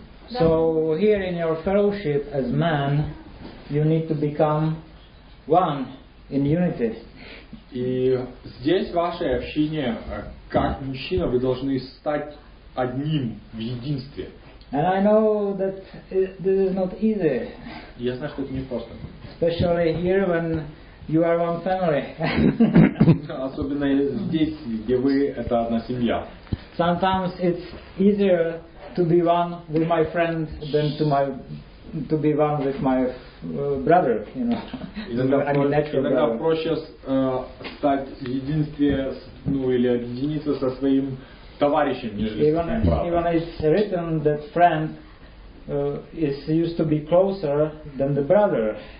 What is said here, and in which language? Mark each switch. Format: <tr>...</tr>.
<en>So here in your fellowship as man, you need to become one in unity.</en> <ru>И здесь, в вашей общине, как мужчина, вы должны стать одним в единстве.</ru> <en>And I know that this is not easy.</en> <ru>Я знаю, что это непросто.</ru> <en>Especially here when you are one family.</en> <ru>Особенно здесь, где вы — это одна семья.</ru> <en>Sometimes it's easier to be one with my friend than to be one with my brother,</en> <ru>Иногда проще стать единстве, или объединиться со своим товарищем, нежели</ru> <en>even, even it's written that friend is used to be closer than the brother,</en>